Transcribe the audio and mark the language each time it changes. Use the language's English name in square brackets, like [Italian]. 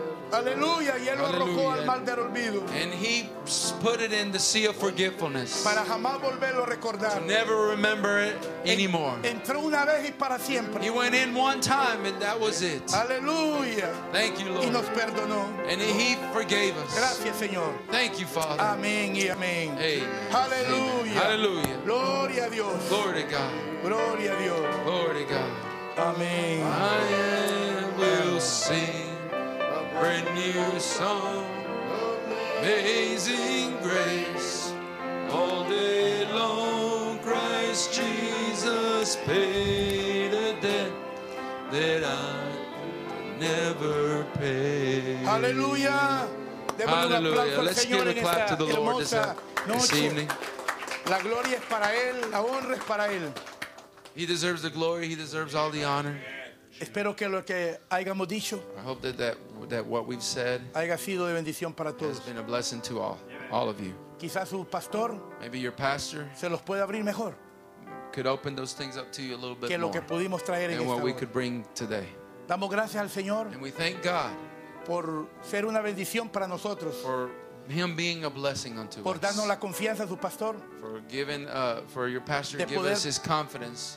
[Spanish] Aleluya, y él lo arrojó al mar del olvido. [English] And he put it in the sea of forgetfulness. [Spanish] Para jamás volverlo a recordar. [English] To never remember it anymore. [Spanish] Entró una vez y para siempre. [English] He went in one time and that was it. [Spanish] Aleluya. [English] Thank you, Lord. [Spanish] Y nos perdonó. [English] And he forgave us. [Spanish] Gracias, Señor. [English] Thank you, Father. [Spanish] Amén y amén. [English] Amen. [Spanish] Aleluya. [English] Hallelujah. [Spanish] Gloria a Dios. [English] Glory to God. [Spanish] Gloria a Dios. [English] Glory to God. [Spanish] Amén. [English] I will sing brand new song, amazing grace, all day long Christ Jesus paid a debt that I could never pay. Hallelujah. Hallelujah. Let's give a clap to the Lord this evening. [Spanish] La gloria es para él, la honra es para él. [English] He deserves the glory, he deserves all the honor. [Spanish] Espero que lo que hayamos dicho, [English] I hope that what we've said, [Spanish] haya sido de bendición para todos, [English] has been a blessing to all of you. [Spanish] Quizás su pastor, [English] maybe your pastor, [Spanish] se los puede abrir mejor, [English] could open those things up to you a little bit [Spanish] que lo que pudimos traer [English] than [Spanish] en [English] what [Spanish] esta [English] we [Spanish] hora [English] could bring today. [Spanish] Damos gracias al Señor, [English] and we thank God [Spanish] por ser una bendición para nosotros, [English] for him being a blessing unto [Spanish] por [English] us, [Spanish] darnos la confianza a su pastor, [English] for giving for your pastor to give us his confidence,